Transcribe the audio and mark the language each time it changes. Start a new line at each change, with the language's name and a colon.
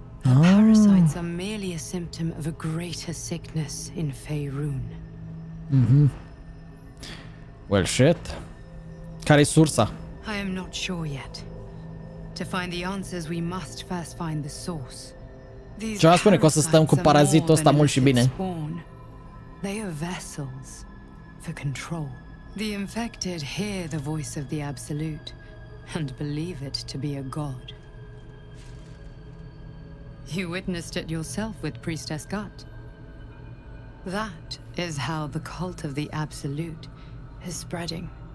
English: Parasites are merely a symptom of a greater sickness in Faerun. Mm-hmm. Well, shit.
Romanian: Care-i sursa?
English: I am not sure yet. To find the answers, we must first find the source.
Romanian: Ce v-am spune că o să stăm cu parazitul ăsta mult și bine.
English: They are vessels for control. The infected hear the voice of the absolute and believe it to be a god. You witnessed it yourself with Priestess Gut. That is how the cult of the Absolute is spreading.